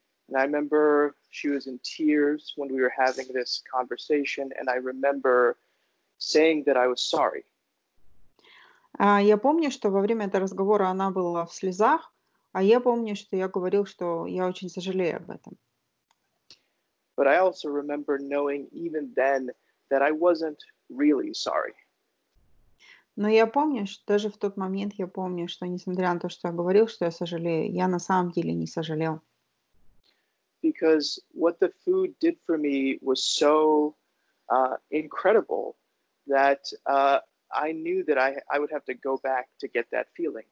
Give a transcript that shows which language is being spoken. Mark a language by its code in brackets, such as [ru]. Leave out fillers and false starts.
[en] And I remember she was in tears when we were having this conversation, and I remember saying that I was sorry. [ru] Я помню, что во время этого разговора она была в слезах, а я помню, что я говорил, что я очень сожалею об этом. [en] But I also remember knowing even then that I wasn't really sorry. [ru] Но я помню, что даже в тот момент я помню, что несмотря на то, что я говорил, что я сожалею, я на самом деле не сожалел. [en] Because what the food did for me was so incredible that I knew that I would have to go back to get that feeling.